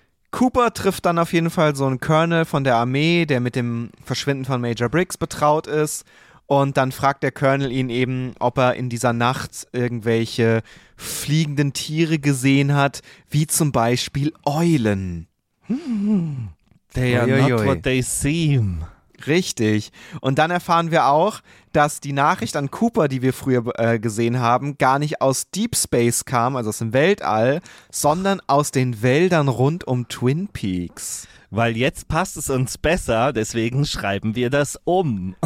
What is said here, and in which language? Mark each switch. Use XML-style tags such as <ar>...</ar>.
<de>Cooper trifft dann auf jeden Fall so einen Colonel von der Armee, der mit dem Verschwinden von Major Briggs betraut ist. Und dann fragt der Colonel ihn eben, ob er in dieser Nacht irgendwelche fliegenden Tiere gesehen hat, wie zum Beispiel Eulen.</de> <en>They are not what they seem.</en> <de>Richtig. Und dann erfahren wir auch, dass die Nachricht an Cooper, die wir früher gesehen haben, gar nicht aus Deep Space kam, also aus dem Weltall, sondern aus den Wäldern rund um Twin Peaks. Weil jetzt passt es uns besser, deswegen schreiben wir das um.</de>